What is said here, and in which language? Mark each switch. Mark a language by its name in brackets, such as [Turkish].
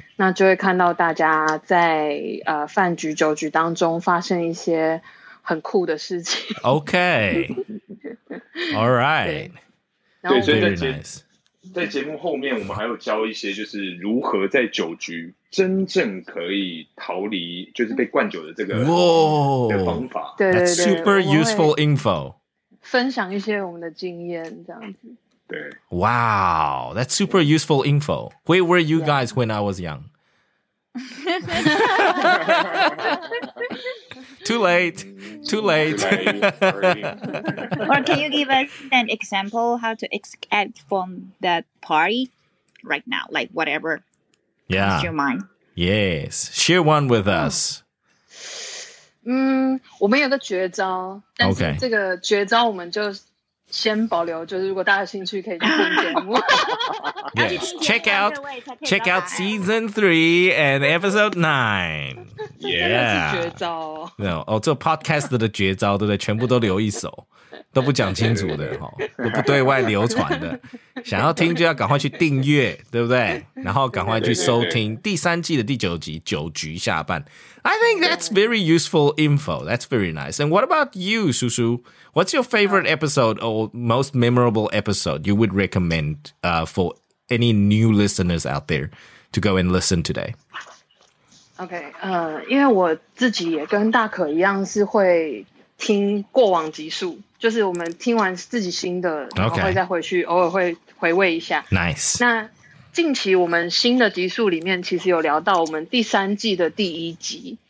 [Chinese] 那就会看到大家在饭局酒局当中发生一些很酷的事情 [English] OK Alright [Chinese] 对所以在节目后面我们还有教一些就是如何在酒局真正可以逃离就是被灌酒的这个的方法对 [English] That's super useful info [Chinese] 分享一些我们的经验这样子对 [English] Wow That's super useful info Where were you guys when I was young? Too late Too late Or can you give us an example how to escape from that party right now like whatever Yeah. Your mind. Yes. Share one with us. [Chinese] 我们有个绝招，但是这个绝招我们就先保留，就是如果大家有兴趣可以去听节目。 [English] Yes. Check out season 3 and episode 9. Yeah. [Chinese] 绝招。 [English] No. [Chinese] 哦，这 podcast 的绝招，对不对？全部都留一手。都不讲清楚的齁都不对外流传的。想要听就要赶快去订阅对不对然后赶快去收听第三季的第九集酒局下半。 [English] I think that's very useful info. That's very nice. And what about you, 叔叔? What's your favorite episode or most memorable episode you would recommend, for any new listeners out there to go and listen today? [Chinese] Okay, 因为我自己也跟大可一样是会听过往集数。就是我们听完自己新的然后会再回去、 [English] okay. [Chinese] 偶尔会回味一下 [English] Nice [Chinese] 那近期我们新的集数里面其实有聊到我们第三季的第一集